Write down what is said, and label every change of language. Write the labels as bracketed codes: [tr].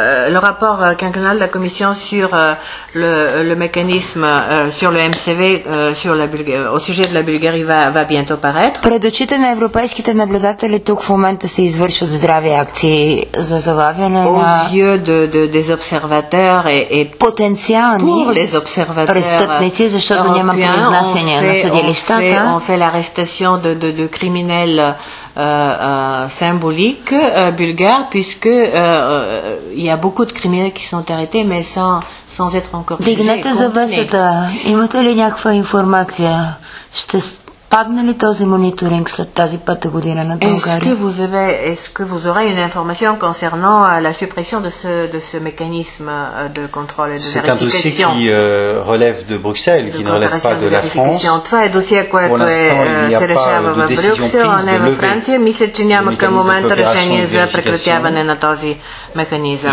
[fr] Le rapport quinquennal de la commission sur le mécanisme sur le MCV sur la Bulgarie au sujet de la Bulgarie va bientôt paraître. [bg] Пред очите на европейските наблюдатели тук в момента се извършват здрави акции за залавяне на [fr] des observateurs et potentiels pour les observateurs. [bg] Престъпници, защото няма произнасяния на съдилищата. [fr] On fait l'arrestation de criminels symboliques bulgares puisque il y a beaucoup de criminels qui sont arrêtés mais sans être encore jugés. [bg] Дигнете за бесата. Имате ли някаква информация? Ще падне ли този мониторинг след тази пета година на България? [fr] Est-ce que vous aurez une information concernant la suppression de ce mécanisme de contrôle et de vérification? C'est un dossier qui relève de Bruxelles, qui ne relève pas de la France. [bg] Това е досие, което е решава в Брюксел, а не в Франция. Мисля, че няма към момента решение за прекратяване на този механизъм.